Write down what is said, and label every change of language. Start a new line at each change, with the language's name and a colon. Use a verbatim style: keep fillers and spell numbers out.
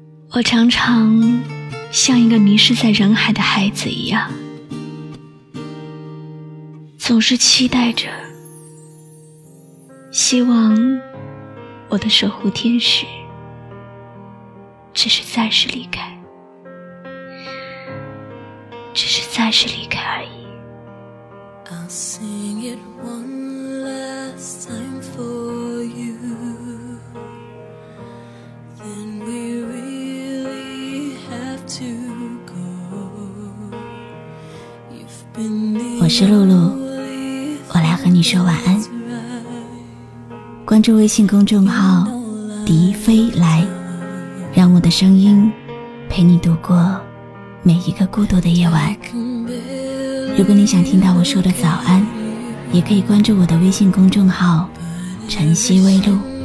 Chinese: 我常常像一个迷失在人海的孩子一样，总是期待着，希望我的守护天使只是暂时离开，只是暂时离开而已。
English: I'll sing it one last time for you, then we really have to go. You've been
Chinese: 我是露露，我来和你说晚安。关注微信公众号迪飞来，让我的声音陪你度过每一个孤独的夜晚。如果你想听到我说的早安，也可以关注我的微信公众号晨曦微露。